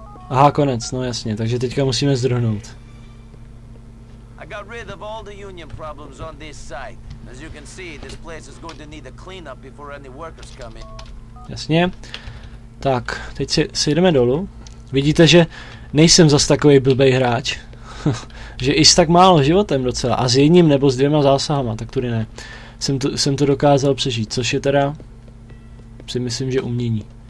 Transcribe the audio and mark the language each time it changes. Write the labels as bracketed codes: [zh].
[cs] Aha, konec, no jasně, takže teďka musíme zdrhnout. [en] I got rid of all the union problems on this site. As you can see, this place is going to need a clean up before any workers come in. [cs] Jasně. Tak, teď si jdeme dolů. Vidíte, že nejsem zas takový blbej hráč. Že i s tak málo životem docela. A s jedním nebo s dvěma zásahama, tak tudy ne. Jsem to dokázal přežít, což je teda... si myslím, že umění.